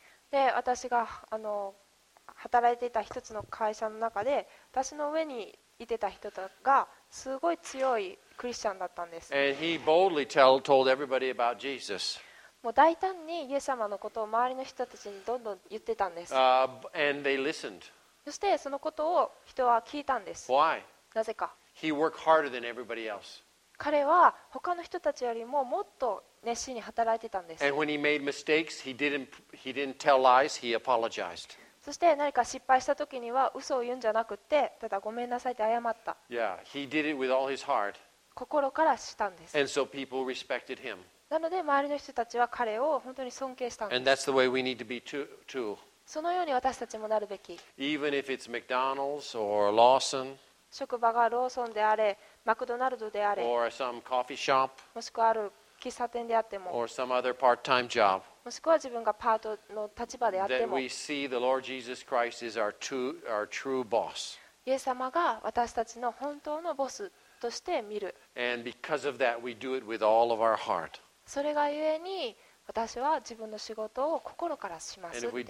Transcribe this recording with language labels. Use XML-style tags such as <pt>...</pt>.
<ja>で、私が働いていた一つの会社の中で、私の上にいてた人がすごい強いクリスチャンだったんです。</ja> <en>And he boldly told everybody about Jesus.</en> <ja>もう大胆にイエス様のことを周りの人たちにどんどん言ってたんです。</ja> <en>And they listened.</en> <ja>そしてそのことを人は聞いたんです。</ja> <en>Why?</en> <ja>なぜか。</ja> <en>He worked harder than everybody else.</en> <ja>彼は他の人たちよりももっと熱心に働いてたんです。</ja> <en>And when he made mistakes, he didn't tell lies, he apologized.</en> <ja>そして何か失敗した時には嘘を言うんじゃなくて、ただごめんなさいって謝った。</ja> <en>Yeah, he did it with all his heart.</en> <ja>心からしたんです。</ja> <en>And so people respected him.</en> <ja>なので周りの人たちは彼を本当に尊敬したんです。</ja> <en>And that's the way we need to be too.</en> <ja>そのように私たちもなるべき。</ja> <en>Even if it's McDonald's or Lawson,</en> <ja>職場がローソンであれ、マクドナルドであれ、</ja> <en>or some coffee shop,</en> <ja>もしくはある喫茶店であっても、</ja> <en>or some other part-time job,</en> <ja>もしくは自分がパートの立場であっても、</ja> <en>that we see the Lord Jesus Christ is our true boss.</en> <ja>イエス様が私たちの本当のボスとして見る。</ja> <en>And because of that, we do it with all of our heart.</en> <ja>それがゆえに私は自分の仕事を心からしますって。</ja>